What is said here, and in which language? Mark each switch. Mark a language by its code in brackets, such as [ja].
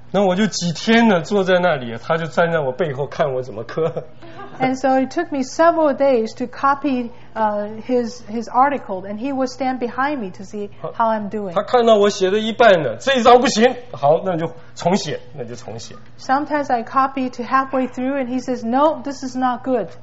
[zh] 那我就几天呢坐在那里，他就站在我背后看我怎么刻。 [en] And so it took me several days to copy his article, and he would stand behind me to see how I'm doing. [zh] 他看到我写的一半呢，这一招不行，好，那就重写。 [en] Sometimes I copy to halfway through, and he says, "No, this is not good."